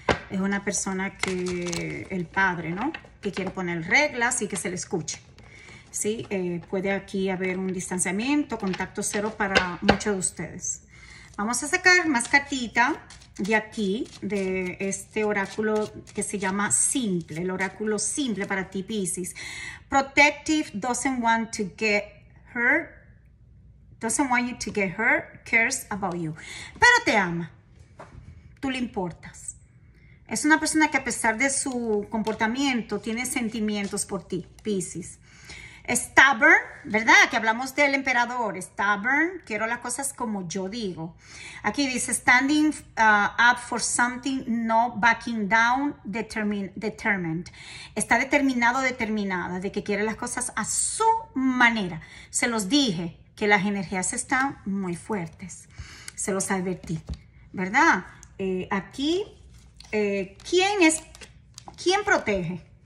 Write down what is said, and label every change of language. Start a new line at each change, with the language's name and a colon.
Spanish: Es una persona que, el padre, ¿no? Que quiere poner reglas y que se le escuche, ¿sí? Puede aquí haber un distanciamiento, contacto cero para muchos de ustedes. Vamos a sacar más cartita de aquí, de este oráculo que se llama Simple, el oráculo simple para ti, Piscis.
English: Protective doesn't want to get hurt, doesn't want you to get hurt, cares about you.
Spanish: Pero te ama, tú le importas. Es una persona que a pesar de su comportamiento tiene sentimientos por ti, Piscis. Stubborn, ¿verdad? Que hablamos del emperador. Stubborn, quiero las cosas como yo digo. Aquí dice,
English: standing up for something, no backing down, determined.
Spanish: Está determinado, determinada, de que quiere las cosas a su manera. Se los dije que las energías están muy fuertes. Se los advertí, ¿verdad? Aquí... ¿quién protege?